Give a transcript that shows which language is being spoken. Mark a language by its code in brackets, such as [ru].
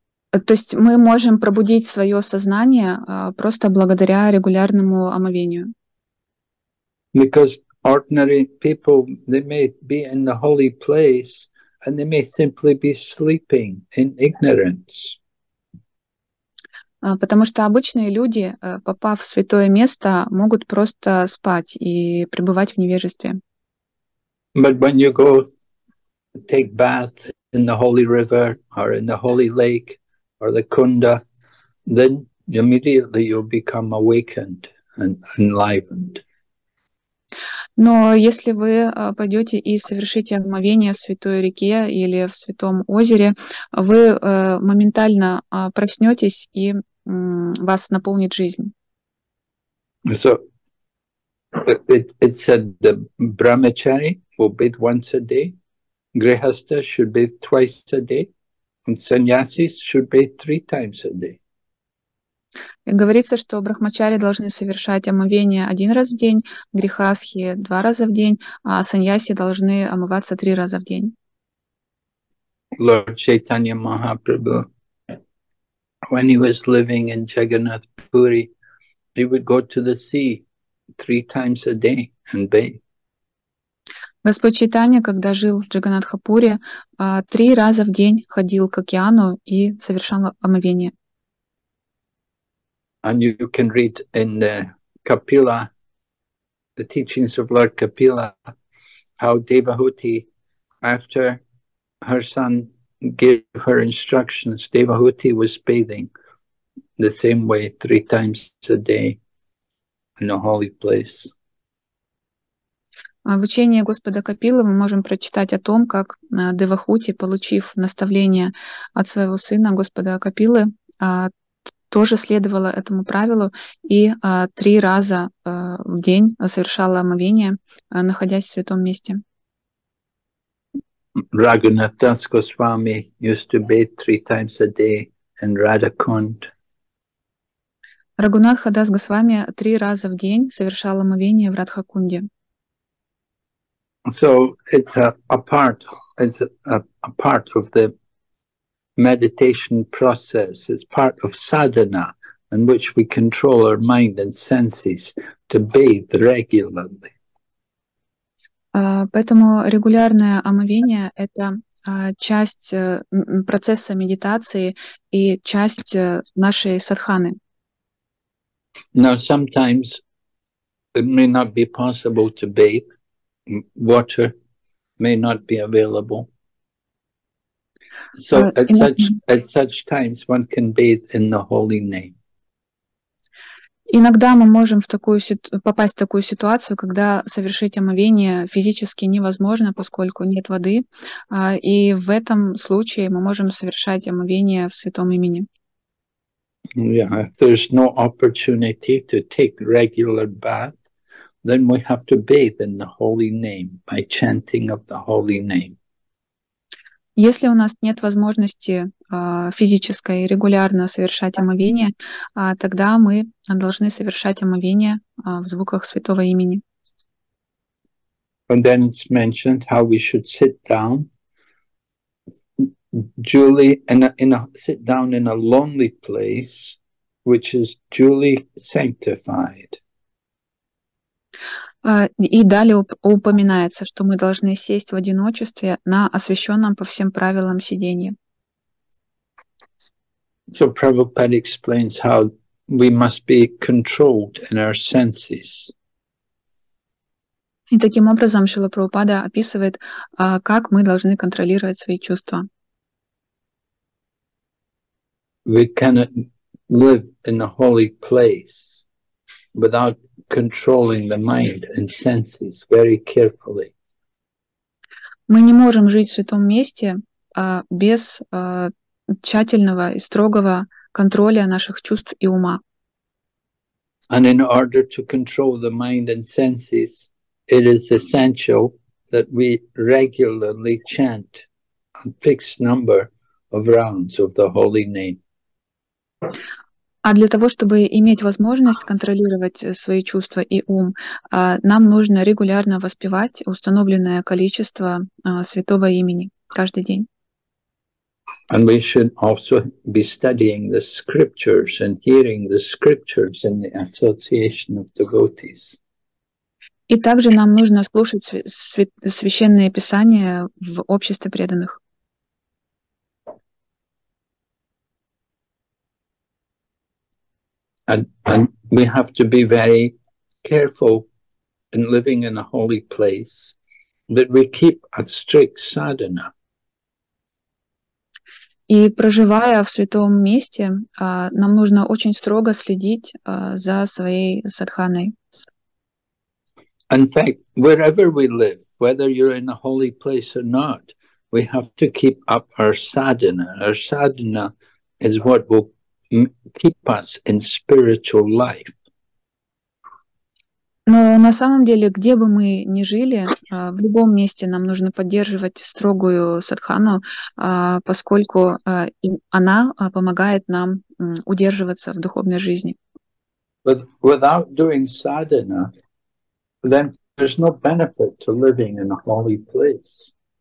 [ru] То есть мы можем пробудить свое сознание просто благодаря регулярному омовению. [en] Because ordinary people, they may be in the holy place and they may simply be sleeping in ignorance. [ru] Потому что обычные люди, попав в святое место, могут просто спать и пребывать в невежестве. [en] But when you go take bath in the holy river or in the holy lake or the Kunda, then immediately you'll become awakened and enlivened. [ru] Но если вы пойдете и совершите омовение в святой реке или в святом озере, вы моментально проснетесь и вас наполнит жизнь. [en] So it said the brahmachari will bathe once a day, grihastha should bathe twice a day, and sannyasis should bathe three times a day. [ru] Говорится, что брахмачари должны совершать омовение один раз в день, грихасхи два раза в день, а саньяси должны омываться три раза в день. [en] Lord Chaitanya Mahaprabhu, when he was living in Jagannath Puri, he would go to the sea three times a day and bathe. [ru] Господь Чайтанья, когда жил в Джаганатхапуре, три раза в день ходил к океану и совершал омовение. [en] And you can read in the Kapila, the teachings of Lord Kapila, how Devahuti, after her son gave her instructions, Devahuti was bathing the same way three times a day in a holy place. [ru] В учении Господа Капилы мы можем прочитать о том, как Девахути, получив наставление от своего сына Господа Капилы, тоже следовала этому правилу и три раза в день совершала омовение, находясь в святом месте. [en] Raghunath Das Goswami used to bathe three times a day in Radhakund. [ru] Raghunatha Das Goswami три раза в день совершал омовение в Радхакунде. [en] So it's a part of the meditation process. It's part of sadhana, in which we control our mind and senses to bathe regularly. [ru] Поэтому регулярное омовение — это часть процесса медитации и часть нашей садханы. [en] Now sometimes it may not be possible to bathe. Water may not be available. So at such times one can bathe in the holy name. [ru] Иногда мы можем попасть в такую ситуацию, когда совершить омовение физически невозможно, поскольку нет воды, и в этом случае мы можем совершать омовение в святом имени. [en] Yeah, if there's no opportunity to take regular bath, then we have to bathe in the holy name by chanting of the holy name. [ru] Если у нас нет возможности физической регулярно совершать омовение, тогда мы должны совершать омовение в звуках святого имени. [en] And then it's mentioned how we should sit down duly sit down in a lonely place which is duly sanctified. [ru] И далее упоминается, что мы должны сесть в одиночестве на освященном по всем правилам сиденье. [en] So Prabhupada explains how we must be controlled in our senses. [ru] И таким образом Шрила Прабхупада описывает, как мы должны контролировать свои чувства. [en] We cannot live in a holy place without controlling the mind and senses very carefully. [ru] Мы не можем жить в святом месте без тщательного и строгого контроля наших чувств и ума. [en] And in order to control the mind and senses, it is essential that we regularly chant a fixed number of rounds of the holy name. [ru] А для того, чтобы иметь возможность контролировать свои чувства и ум, нам нужно регулярно воспевать установленное количество святого имени каждый день. [en] And we should also be studying the scriptures and hearing the scriptures in the association of devotees. [ru] И также нам нужно слушать священные писания в обществе преданных. [en] And we have to be very careful in living in a holy place that we keep a strict sadhana. [ru] И проживая в святом месте, нам нужно очень строго следить за своей садханой. [en] In fact, wherever we live, whether you're in a holy place or not, we have to keep up our sadhana. Our sadhana is what will keep us in spiritual life. [ru] Но на самом деле, где бы мы ни жили, в любом месте нам нужно поддерживать строгую садхану, поскольку она помогает нам удерживаться в духовной жизни. [en] But without doing sadhana, then there's no benefit to living in a holy place.